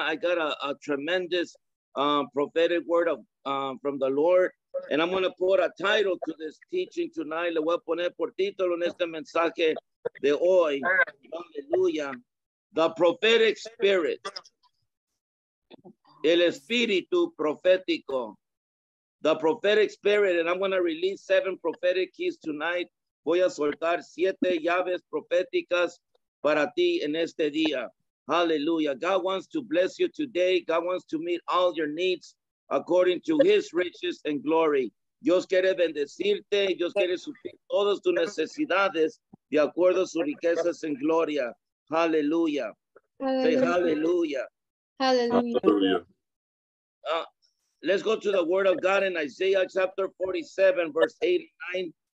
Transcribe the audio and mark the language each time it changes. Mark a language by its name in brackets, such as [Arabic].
[English] I got a tremendous prophetic word of from the Lord. And I'm going to put a title to this teaching tonight. [Spanish] Le voy a poner por título en este mensaje de hoy. [English] Hallelujah. The prophetic spirit. [Spanish] El espíritu profético. [English] The prophetic spirit, and I'm going to release 7 prophetic keys tonight. [Spanish] Voy a soltar 7 llaves proféticas para ti en este día. [English] Hallelujah. God wants to bless you today. God wants to meet all your needs according to his riches and glory. [Spanish] Dios quiere bendecirte. Dios quiere suplir todas tus necesidades de acuerdo a sus riquezas en gloria. [English] Hallelujah. Hallelujah. Say hallelujah. Hallelujah. Hallelujah. Let's go to the word of God in Isaiah chapter 47, verse 89.